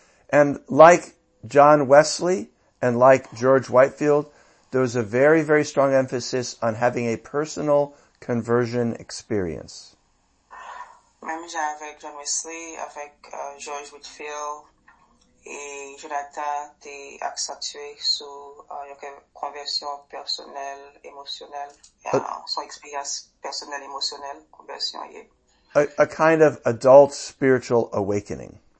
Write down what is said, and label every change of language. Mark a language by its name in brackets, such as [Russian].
[English] And like John Wesley and like George Whitefield, there was a very, very strong emphasis on having a personal conversion experience. [French] Même avec John Wesley, avec George Whitefield, et Jonathan t'est accentué sur une conversion personnelle, émotionnelle, son expérience personnelle, émotionnelle, conversion. [English] A kind of adult spiritual awakening.